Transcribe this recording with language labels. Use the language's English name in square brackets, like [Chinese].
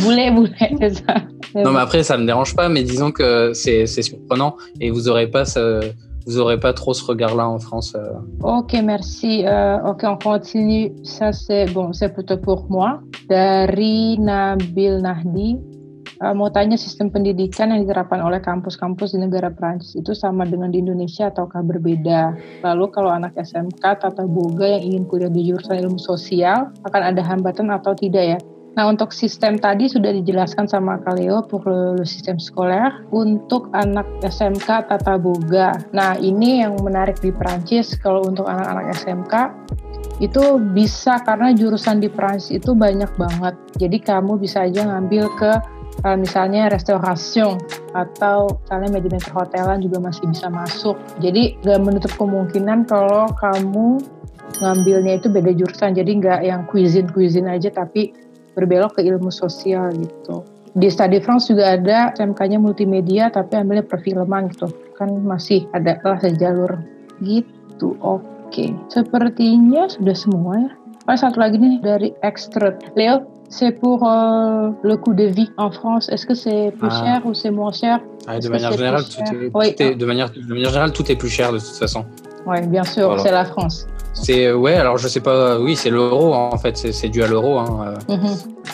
[French] Non, mais après, ça ne me dérange pas, mais disons que c'est surprenant et vous n'aurez pas ce... Vous n'aurez pas trop ce regard-là en France. Ok, merci. Ok, on continue. Ça, c'est bon, c'est plutôt pour moi. [Indonesian] Dari Nabil Nahdi. Mau tanya, sistem pendidikan yang diterapkan oleh kampus-kampus di negara Prancis itu sama dengan di Indonesia ataukah berbeda? Lalu kalau anak SMK tata boga yang ingin kuliah di jurusan ilmu sosial, akan ada hambatan atau tidak ya? Nah, untuk sistem tadi sudah dijelaskan sama Kak Leo untuk lulus sistem sekolah untuk anak SMK tata boga. Nah, ini yang menarik di Prancis, kalau untuk anak-anak SMK itu bisa karena jurusan di Prancis itu banyak banget. Jadi kamu bisa aja ngambil ke misalnya restoration atau misalnya manajemen perhotelan juga masih bisa masuk. Jadi gak menutup kemungkinan kalau kamu ngambilnya itu beda jurusan, jadi gak yang cuisine-cuisine aja tapi berbelok ke ilmu sosial gitu. Di Study France juga ada SMK-nya multimedia tapi ambilnya perfilman gitu. Kan masih ada lah sejalur gitu. Oke. Sepertinya sudah semua ya. Oh, satu lagi nih dari Extrude. [French] Leo, c'est pour le coût de vie en France. Est-ce que c'est plus cher ou c'est moins cher? De manière générale, tout est plus cher de toute façon. Oui, bien sûr, voilà. C'est la France. C'est ouais, alors je sais pas, oui, c'est l'euro en fait, c'est dû à l'euro, hein. Mm-hmm.